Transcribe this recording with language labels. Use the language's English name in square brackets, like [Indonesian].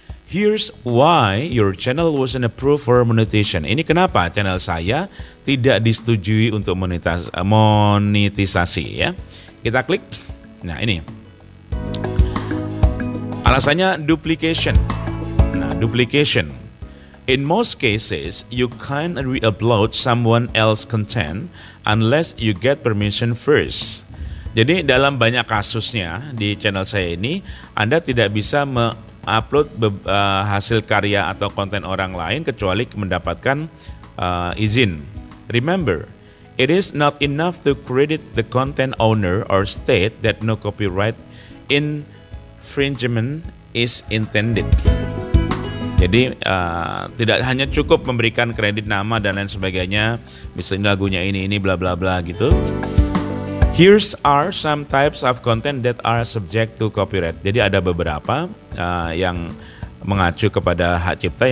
[English] Here's why your channel wasn't approved for monetization. [Indonesian] Ini kenapa channel saya tidak disetujui untuk monetisasi ya. Kita klik. Nah, ini. Alasannya duplication. Nah, duplication. [English] In most cases, you can't re-upload someone else content unless you get permission first. [Indonesian] Jadi dalam banyak kasusnya di channel saya ini, Anda tidak bisa upload hasil karya atau konten orang lain kecuali mendapatkan izin. [English] Remember, it is not enough to credit the content owner or state that no copyright infringement is intended. [Indonesian] Jadi tidak hanya cukup memberikan kredit nama dan lain sebagainya, misalnya lagunya ini bla bla bla gitu. [English] Here are some types of content that are subject to copyright. [Indonesian] Jadi ada beberapa yang mengacu kepada hak cipta.